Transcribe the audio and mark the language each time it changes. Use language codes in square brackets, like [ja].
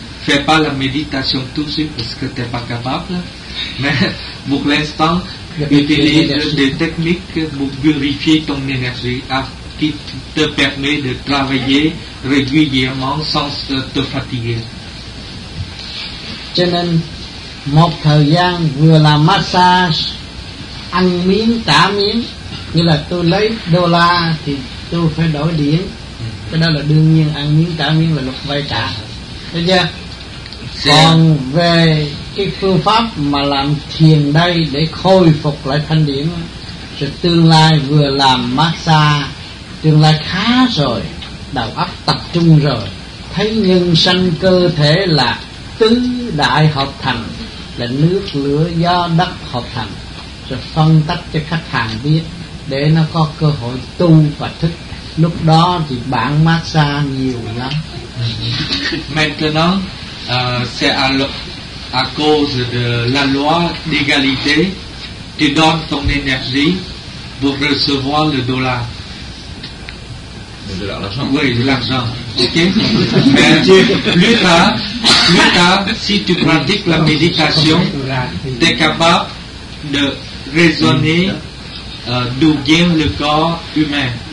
[fr] Fais pas la méditation tout de suite parce que t'es pas capable. Mais pour l'instant, utilise des techniques pour purifier ton énergie qui te permet de travailler régulièrement sans te fatiguer. [vi] Cho nên một thời gian vừa làm massage, ăn miếng trả miếng, như là tôi lấy đô la thì tôi phải đổi điểm. Cái đó là đương nhiên, ăn miếng trả miếng là luật vay trả. Thấy chưa? Còn về cái phương pháp mà làm thiền đây để khôi phục lại thanh điển, thì tương lai vừa làm massage, tương lai khá rồi, đầu óc tập trung rồi, thấy nhân sanh cơ thể là tứ đại hợp thành, là nước lửa gió đất hợp thành, rồi phân tách cho khách hàng biết để nó có cơ hội tu và thức. Lúc đó thì bạn massage nhiều lắm. [fr] Maintenant, c'est à cause de la loi d'égalité, tu donnes ton énergie pour recevoir le dollar. De l'argent. Oui, de l'argent. Ok. Mais plus tard, si tu pratiques la méditation, tu es capable de raisonner d'où vient le corps humain.